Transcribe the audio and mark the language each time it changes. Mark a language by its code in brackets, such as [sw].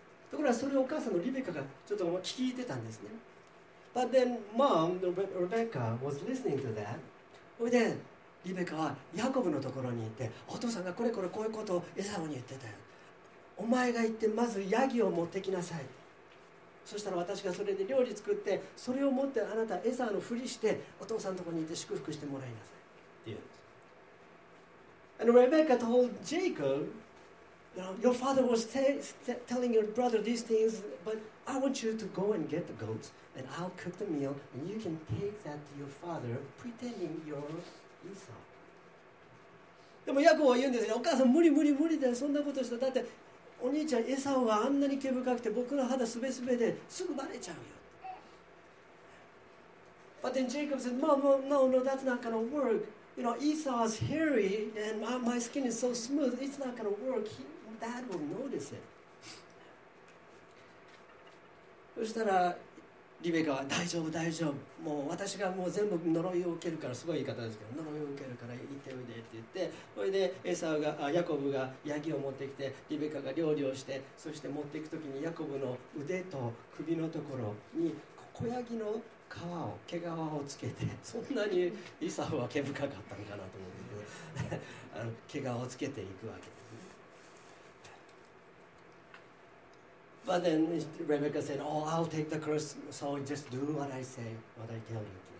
[ja] ところがそれをお母さんのリベカがちょっと聞いてたんですね。 [en] But then mom, Rebecca, was listening to that. And then, Rebecca was Jacob's [ja] ところにいて、お父さんがこれこれこういうことをエサオに言ってたよ。お前が行ってまずヤギを持ってきなさい。そしたら私がそれで料理作って、それを持ってあなたエサオのふりしてお父さんのところに行って祝福してもらいなさい。 [en] And Rebecca told Jacob, your father was telling your brother these things, but I want you to go and get the goats. And I'll cook the meal, and you can take that to your father, pretending you're Esau. [ja] でもヤコブは言うんですよ、お母さん無理無理無理だよ、そんなことしたら、だってお兄ちゃんエサオがあんなに毛深くて僕の肌すべすべですぐバレちゃうよ。 [en] But then Jacob said, Mom, no, no, that's not gonna work. You know, Esau is hairy, and my skin is so smooth. It's not gonna work. Dad will notice it. [ja] そしたらリベカは大丈夫大丈夫、もう私がもう全部呪いを受けるから、すごい言い方ですけど、呪いを受けるから行っておいでって言って、それでエサがヤコブがヤギを持ってきて、リベカが料理をして、そして持っていくときにヤコブの腕と首のところに小ヤギの皮を毛皮をつけて、そんなにエサは毛深かったのかなと思うんですけど、あの毛皮をつけていくわけです。 [en] But then Rebecca said, "Oh, I'll take the curse. So just do what I say, what I tell you."